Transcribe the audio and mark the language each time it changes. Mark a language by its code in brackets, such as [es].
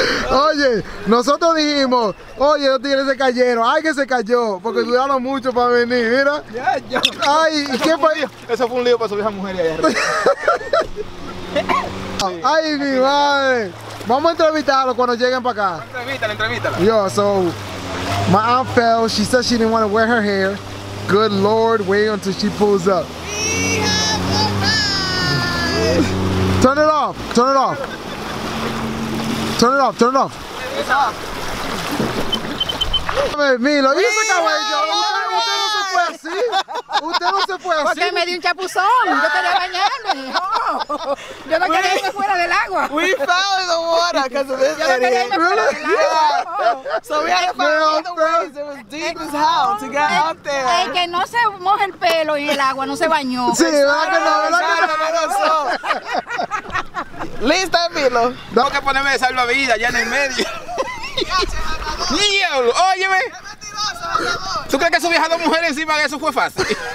[es] Oye, nosotros dijimos, oye, los tigres se cayeron, alguien se cayó, porque duraron mucho para venir, mira. Ya, ay, ¿y qué fue? Eso fue un lío para subir a esa mujer allá arriba. Sí. Ay, mi madre. Vamos a entrevistarlo cuando lleguen para acá. Entrevístalo. [en] Yo, so, My aunt fell. She said she didn't want to wear her hair. Good Lord, wait until she pulls up. We have arrived. Turn it off. Turn it off. Turn it off. Turn it off. It's off. [es] Milo, ¿y ese cabello? Usted no se fue así. Usted no se fue así. Porque me di un chapuzón. Yo quería bañarme. Yo no quería irme fuera del agua. [en] We found the water because of this. [es] Yo no quería irme fuera del agua. [en] So we had to find all the ways. It was deep as hell to get up there. [es] El que no se moja el pelo y el agua no se bañó. Sí, verdad que no. Lista, Milo. Tengo que ponerme de salvavidas ya en el medio. ¡Diablo! ¡Óyeme! ¿Tú crees que subías a dos mujeres encima de eso fue fácil?